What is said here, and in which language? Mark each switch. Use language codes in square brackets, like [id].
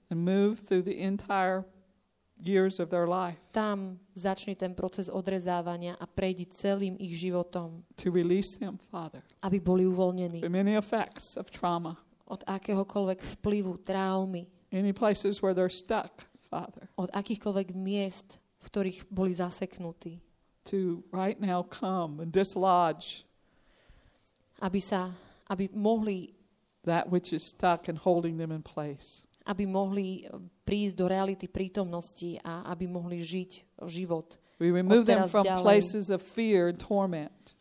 [en] And move through the entire years of their life. [sk] Tam začni ten proces odrezávania a prejdi celým ich životom. [en] To release them, Father. [sk] Aby boli uvoľnení. [en] From any effects of trauma. [sk] Od akéhokoľvek vplyvu traumy. [en] Any places where they're stuck, Father. [sk] Od akýchkoľvek miest, v ktorých boli zaseknutí. [en] To right now come and dislodge. [sk] Aby mohli [en] that which is stuck and holding them in place. [sk] Aby mohli prísť do reality prítomnosti a aby mohli žiť život. [en] We remove them from places of fear and torment.